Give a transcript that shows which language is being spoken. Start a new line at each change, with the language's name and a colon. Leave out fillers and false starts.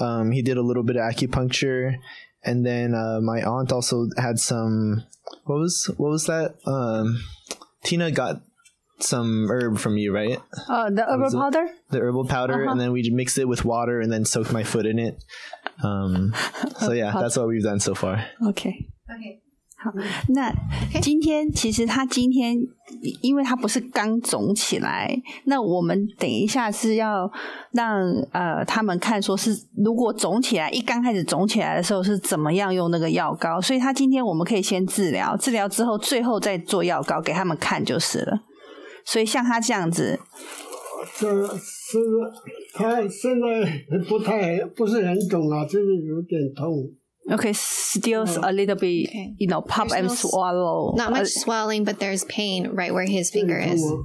English: He did a little bit of acupuncture. And then my aunt also had some, what was that? Tina got some herb from you, right? The herbal powder? The herbal powder, uh-huh. And then we mixed it with water and then soaked my foot in it. So yeah, that's what we've done so far. Okay.
Chinese: 那今天其实他今天因为他不是刚肿起来，那我们等一下是要让他们看说是如果肿起来一刚开始肿起来的时候是怎么样用那个药膏，所以他今天我们可以先治疗之后最后再做药膏给他们看就是了。所以像他这样子，这是他现在不是很肿啊，就是有点痛。
English: Okay, still a little bit, you know, pop and swallow. Not much swelling, but there's pain right where his finger is.